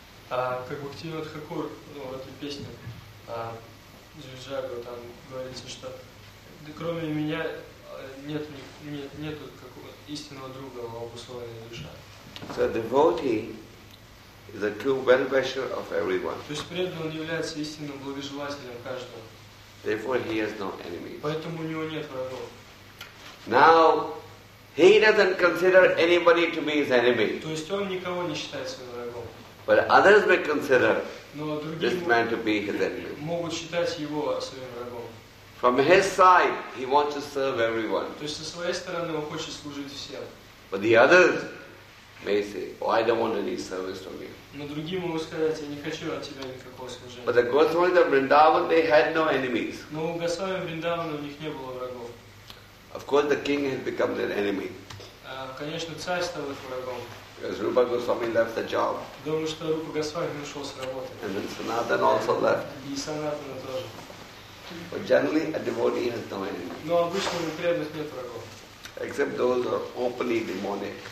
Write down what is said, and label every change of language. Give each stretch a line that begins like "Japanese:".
Russian: Как Бхактивинода Хакур, ну, в этой песне, Джаджаго, там говорится, что да, кроме меня нету какого истинного друга, обусловленной душа.
English: So devotee is the true well-wisher of everyone.
Russian: То есть преданный, он является истинным благожелателем каждого.
English: Therefore he has no enemies.
Russian: Поэтому у него нет врагов.
English: Now he doesn't consider anybody to be his enemy.
Russian: То есть он никого не считает своим врагом.
English: But others may consider this man to be his enemy.
Russian: Могут считать его своим врагом.
English: From his side he wants to serve everyone.
Russian: То есть со своей стороны он хочет служить всем.
English: But the others may say, oh, I don't want any service from you.
Russian: Но другие могут сказать, я не хочу от тебя никакого служения.
English: But the Goswami of Vrindavan, they had no enemies.
Russian: Но у Госвами Вриндавана у них не было врагов.
English: Of course the king had become their enemy.
Russian: Конечно, царь стал их врагом.
English: Because Rupa Goswami left the job.
Russian: Думаю, что Рупа Госвами ушел с работы.
English: And then Sanatana also left.
Russian: И Санатана тоже.
English: But generally a devotee has no enemies.
Russian: Но обычно у преданных нет врагов.
English: Except those who are openly demonic.